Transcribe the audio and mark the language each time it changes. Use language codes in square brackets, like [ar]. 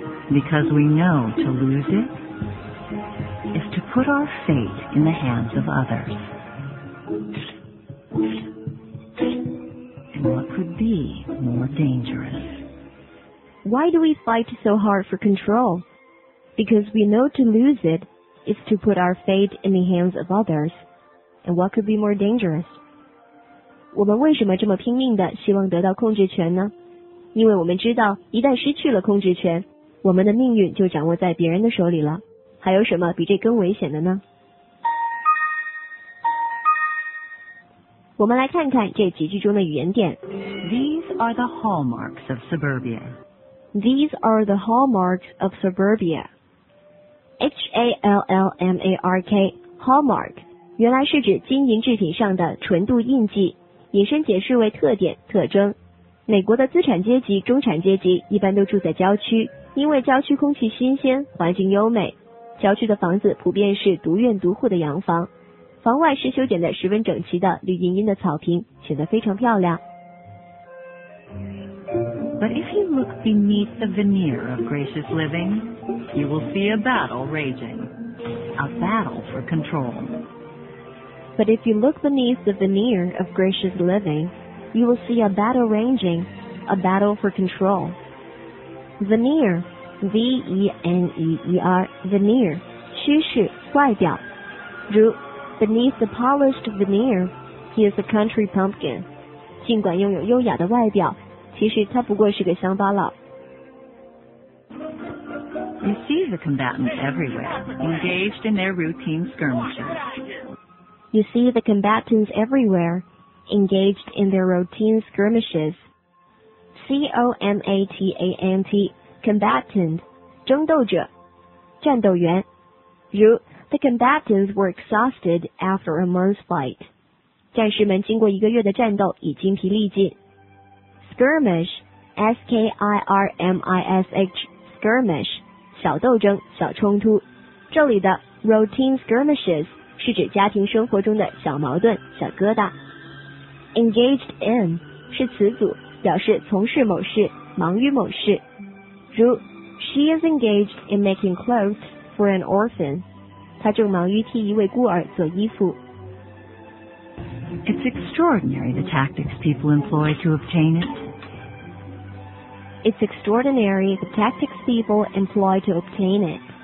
[en] Because we know to lose it is to put our fate in the hands of others. What could be more dangerous? Why do we fight so hard for control? Because we know to lose it is to put our fate in the hands of others. And what could be more dangerous? [zh] 我们为什么这么拼命地希望得到控制权呢？因为我们知道，一旦失去了控制权，我们的命运就掌握在别人的手里了。还有什么比这更危险的呢？我们来看看这几句中的语言点。 [en] These are the hallmarks of suburbia. These are the hallmarks of suburbia. H-A-L-L-M-A-R-K, hallmark, [zh] 原来是指金银制品上的纯度印记，引申解释为特点、特征。美国的资产阶级、中产阶级一般都住在郊区，因为郊区空气新鲜，环境优美。郊区的房子普遍是独院独户的洋房，房外是修剪得十分整齐的绿茵茵的草坪，显得非常漂亮。 [en] But if you look beneath the veneer of gracious living, you will see a battle raging, a battle for control. But if you look beneath the veneer of gracious living, you will see a battle raging, a battle for control. Veneer, V-E-N-E-E-R, veneer, [zh] 虚饰外表， [en] 如 beneath the polished veneer, he is a country pumpkin. [zh] 尽管拥有优雅的外表，其实他不过是个乡巴佬。 [en] You see the combatants everywhere, engaged in their routine skirmishes. You see the combatants everywhere, engaged in their routine skirmishes. C-O-M-A-T-A-N-T, combatant, [zh] 争斗者，战斗员。 [en] 如 the combatants were exhausted after a month's fight. [zh] 战士们经过一个月的战斗已精疲力尽。 [en] Skirmish, S-K-I-R-M-I-S-H, skirmish, [zh] 小斗争、小冲突。这里的 [en] routine skirmishes [zh] 是指家庭生活中的小矛盾、小疙瘩。 [en] Engaged in [zh] 是词组，表示从事某事、忙于某事。 [en] 如 She is engaged in making clothes for an orphan. [zh] 她正忙于替一位孤儿做衣服。 [en] It's extraordinary the tactics people employ to obtain it. It's extraordinary the tactics people employ to obtain it.